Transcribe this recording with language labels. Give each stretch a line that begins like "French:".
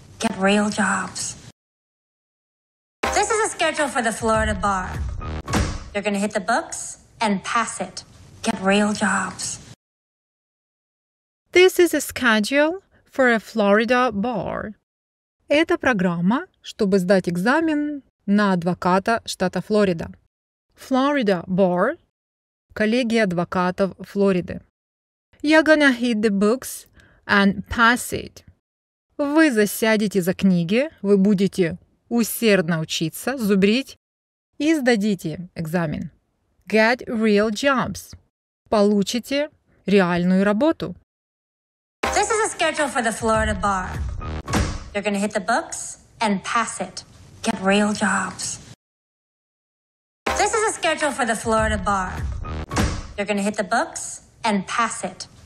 English: Get real jobs. This is a schedule for the Florida bar. You're gonna hit the books and pass it. Get real jobs. This is a schedule for a Florida bar.
Russian: Это программа, чтобы сдать экзамен на адвоката штата Флорида. Florida bar – коллегия адвокатов Флориды.
English: You're gonna hit the books and pass it.
Russian: Вы засядете за книги, вы будете усердно учиться, зубрить и сдадите экзамен.
English: Get real jobs.
Russian: Получите реальную работу.
English: This is a schedule for the Florida bar. You're gonna hit the books and pass it. Get real jobs. This is a schedule for the Florida bar. You're gonna hit the books and pass it.